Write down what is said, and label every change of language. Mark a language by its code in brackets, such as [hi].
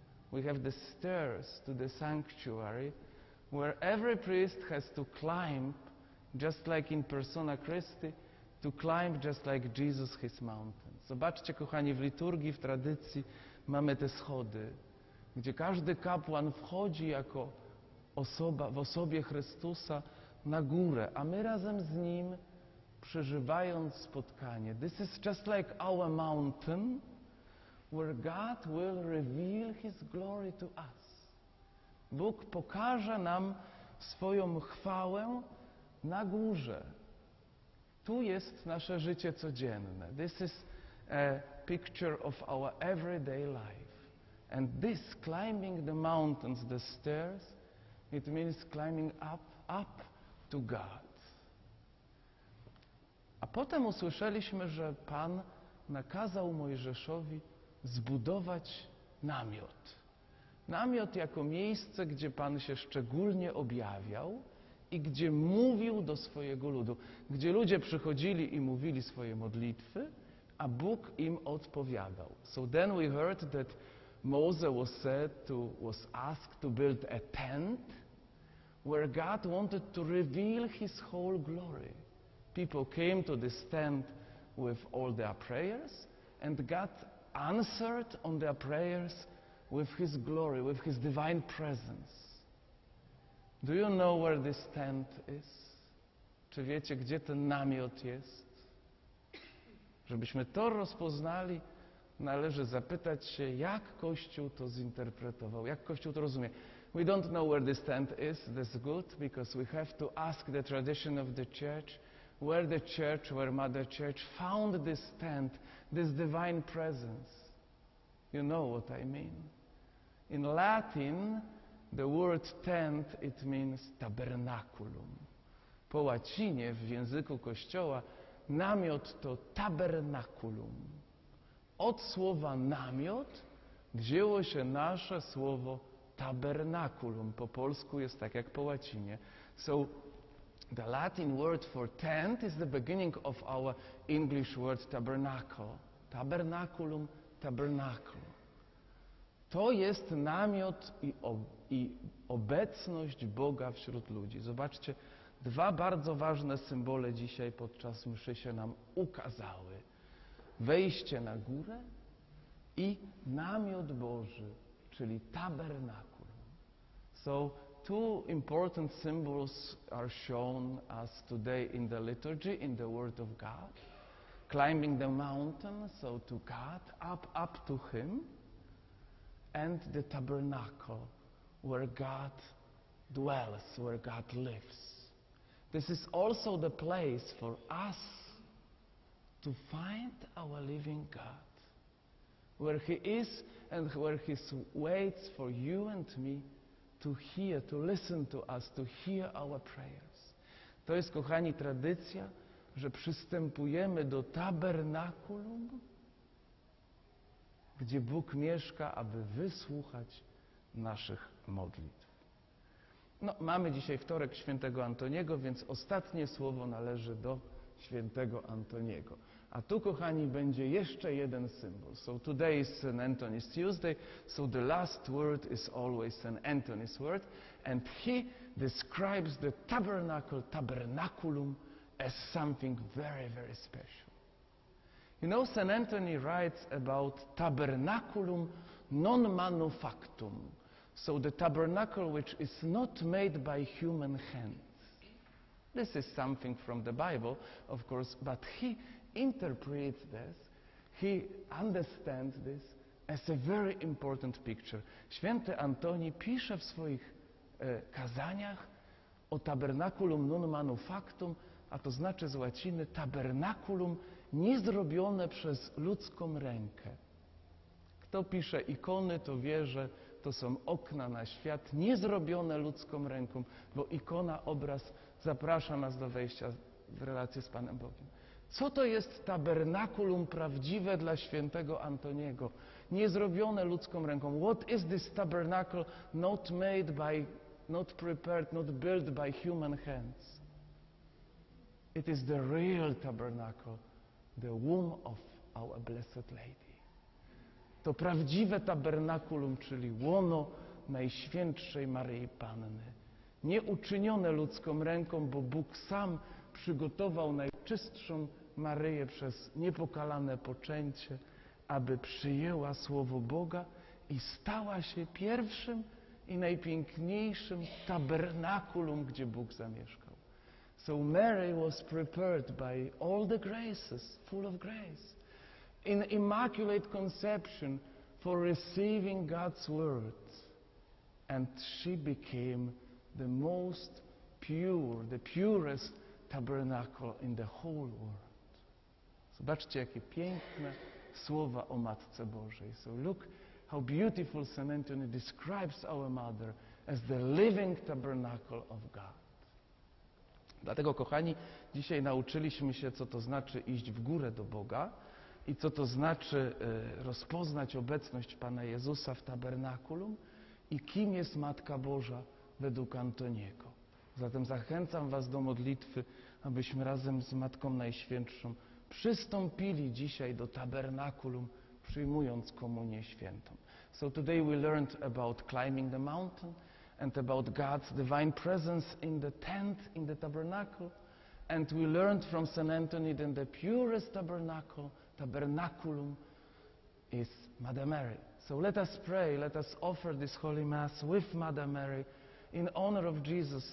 [en] We have the stairs to the sanctuary where every priest has to climb, just like in Persona Christi, to climb just like Jesus his mountain. [pl] Zobaczcie, kochani, w liturgii, w tradycji mamy te schody, gdzie każdy kapłan wchodzi jako osoba w osobie Chrystusa na górę, a my razem z Nim przeżywając spotkanie. [en] This is just like our mountain where God will reveal His glory to us. [pl] Bóg pokaże nam swoją chwałę na górze. Tu jest nasze życie codzienne. [en] This is a picture of our everyday life. And this, climbing the mountains, the stairs, it means climbing up to God. [pl] A potem usłyszeliśmy, że Pan nakazał Mojżeszowi zbudować namiot. Namiot jako miejsce, gdzie Pan się szczególnie objawiał i gdzie mówił do swojego ludu, gdzie ludzie przychodzili i mówili swoje modlitwy, a Bóg im odpowiadał. [en] So then we heard that Moses was asked to build a tent where God wanted to reveal His whole glory. People came to this tent with all their prayers, and God answered on their prayers with His glory, with His divine presence. Do you know where this tent is? [pl] Czy wiecie, gdzie ten namiot jest? Żebyśmy to rozpoznali, należy zapytać się, jak Kościół to zinterpretował, jak Kościół to rozumie. [en] We don't know where this tent is, that's good, because we have to ask the tradition of the church, where Mother Church found this tent, this divine presence. You know what I mean. In Latin, the word tent, it means tabernaculum. [pl] Po łacinie, w języku Kościoła, namiot to tabernaculum. Od słowa namiot wzięło się nasze słowo tabernaculum. Po polsku jest tak jak po łacinie. [en] So, the Latin word for tent is the beginning of our English word tabernacle. Tabernaculum, tabernacle. [pl] To jest namiot i obecność Boga wśród ludzi. Zobaczcie, dwa bardzo ważne symbole dzisiaj podczas mszy się nam ukazały. Wejście na górę i namiot Boży, czyli tabernaculum. [en] So, two important symbols are shown us today in the liturgy, in the Word of God. Climbing the mountain, so to God, up to Him. And the tabernacle, where God dwells, where God lives. This is also the place for us to find our living God. Where He is and where He waits for you and me to hear, to listen to us, to hear our prayers. [pl] To jest, kochani, tradycja, że przystępujemy do tabernakulum, gdzie Bóg mieszka, aby wysłuchać naszych modlitw. No, mamy dzisiaj wtorek świętego Antoniego, więc ostatnie słowo należy do świętego Antoniego. A tu, kochani, będzie jeszcze jeden symbol. [en] So today is St. Anthony's Tuesday, so the last word is always St. Anthony's word. And he describes the tabernacle, tabernaculum, as something very, very special. You know, St. Anthony writes about [la] tabernaculum non manufactum. [en] So the tabernacle which is not made by human hands. This is something from the Bible, of course, but he interprets this, he understands this as a very important picture. [pl] Święty Antoni pisze w swoich kazaniach o [la] tabernaculum non manufactum, [pl] a to znaczy z łaciny tabernaculum niezrobione przez ludzką rękę. Kto pisze ikony, to wie, że to są okna na świat niezrobione ludzką ręką, bo ikona, obraz zaprasza nas do wejścia w relację z Panem Bogiem. Co to jest tabernakulum prawdziwe dla świętego Antoniego? Niezrobione ludzką ręką. [en] What is this tabernacle not made by, not prepared, not built by human hands? It is the real tabernacle, the womb of our Blessed Lady. [pl] To prawdziwe tabernakulum, czyli łono Najświętszej Maryi Panny. Nie uczynione ludzką ręką, bo Bóg sam przygotował najczystszą Maryję przez niepokalane poczęcie, aby przyjęła Słowo Boga i stała się pierwszym i najpiękniejszym tabernakulum, gdzie Bóg zamieszkał. [en] So Mary was prepared by all the graces, full of grace, in immaculate conception for receiving God's word. And she became the most pure, the purest tabernacle in the whole world. [pl] Zobaczcie, jakie piękne słowa o Matce Bożej. [en] So look how beautiful St. Anthony describes our mother as the living tabernacle of God. [pl] Dlatego, kochani, dzisiaj nauczyliśmy się, co to znaczy iść w górę do Boga i co to znaczy rozpoznać obecność Pana Jezusa w tabernakulum i kim jest Matka Boża według Antoniego. Zatem zachęcam Was do modlitwy, abyśmy razem z Matką Najświętszą przystąpili dzisiaj do tabernakulum, przyjmując Komunię Świętą. [en] So today we learned about climbing the mountain and about God's divine presence in the tent, in the tabernacle. And we learned from St. Anthony that the purest tabernacle, tabernaculum, is Mother Mary. So let us pray, let us offer this Holy Mass with Mother Mary in honor of Jesus.